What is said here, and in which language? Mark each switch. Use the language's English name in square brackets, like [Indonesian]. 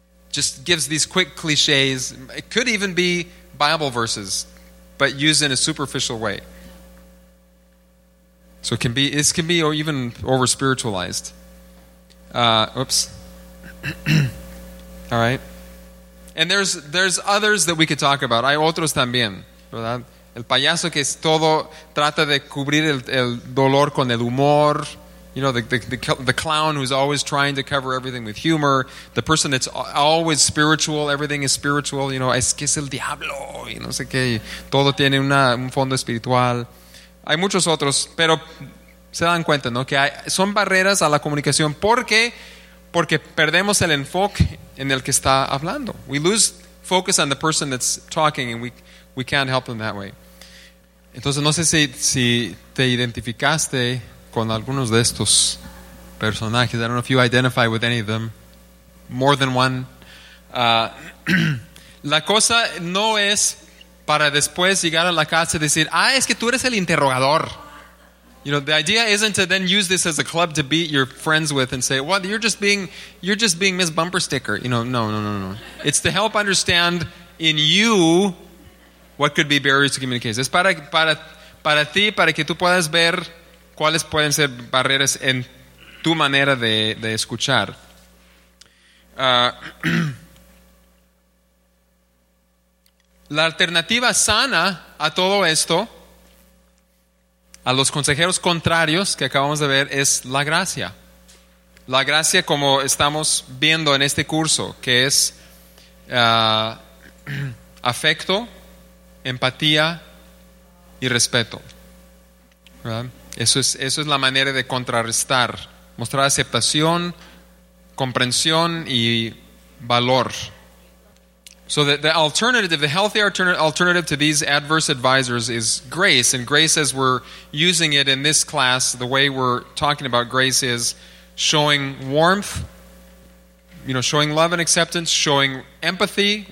[English] Just gives these quick cliches. It could even be Bible verses, but used in a superficial way. So it can be, this can be even over-spiritualized. Oops. All right. And there's others that we could talk about. [Spanish] Hay otros también, ¿verdad? El payaso que es todo, trata de cubrir el dolor con el humor. [English] You know, the clown who's always trying to cover everything with humor. The person that's always spiritual, everything is spiritual. You know, [Spanish] es que es el diablo, y no sé qué. Todo tiene un fondo espiritual. Hay muchos otros, pero se dan cuenta, ¿no? Que son barreras a la comunicación. ¿Por qué? Porque perdemos el enfoque en el que está hablando. [English] We lose focus on the person that's talking and we can't help them that way. [Spanish] Entonces, no sé si te identificaste con algunos de estos personajes. [English] I don't know if you identify with any of them. More than one. [Spanish] La cosa no es para después llegar a la casa y decir, ah, es que tú eres el interrogador. [English] You know, the idea isn't to then use this as a club to beat your friends with and say, well, you're just being Miss Bumper Sticker. You know, no. It's to help understand in you what could be barriers to communication. [Spanish] Es para ti, para que tú puedas ver cuáles pueden ser barreras en tu manera de escuchar. La alternativa sana a todo esto, a los consejeros contrarios que acabamos de ver, es la gracia. La gracia, como estamos viendo en este curso, que es afecto, empatía y respeto. ¿Verdad? Eso es la manera de contrarrestar, mostrar aceptación, comprensión y valor. [English] So the alternative, the healthy alternative to these adverse advisors is grace. And grace, as we're using it in this class, the way we're talking about grace is showing warmth, you know, showing love and acceptance, showing empathy.